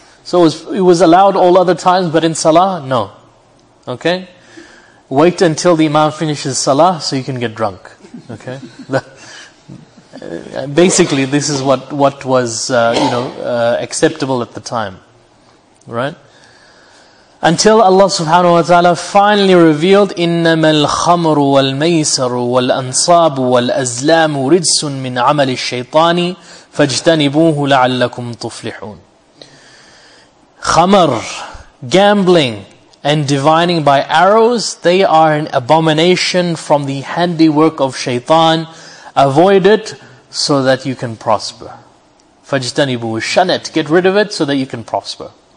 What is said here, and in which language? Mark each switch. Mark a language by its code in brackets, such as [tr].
[en] So it was allowed all other times, but in salah, no. Okay? Wait until the imam finishes salah so you can get drunk. Okay? Basically, this is what was acceptable at the time. Right? [ar] Until Allah subhanahu wa ta'ala finally revealed, إِنَّمَا الْخَمْرُ وَالْمَيْسَرُ وَالْأَنصَابُ وَالْأَزْلَامُ رِجْسٌ مِّنْ عَمَلِ الشَّيْطَانِ فَاجْتَنِبُوهُ لَعَلَّكُمْ تُفْلِحُونَ. [en] Khamar, gambling, and divining by arrows, they are an abomination from the handiwork of shaitan. Avoid it so that you can prosper. فَاجْتَنِبُوهُ, shun it, get rid of it so that you can prosper.